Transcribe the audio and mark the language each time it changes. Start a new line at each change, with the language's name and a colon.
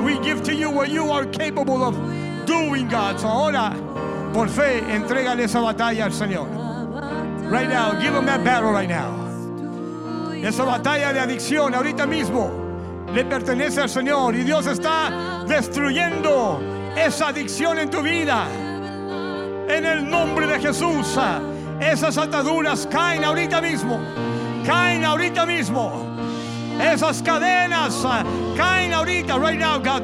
English: We give to you what you are capable of doing, God.
Spanish: So ahora, por fe, entrégale esa batalla al Señor.
English: Right now, give him that battle right now.
Spanish: Esa batalla de adicción ahorita mismo le pertenece al Señor, y Dios está destruyendo esa adicción en tu vida. En el nombre de Jesús, esas ataduras caen ahorita mismo. Caen ahorita mismo. Esas cadenas caen ahorita,
English: right now, God.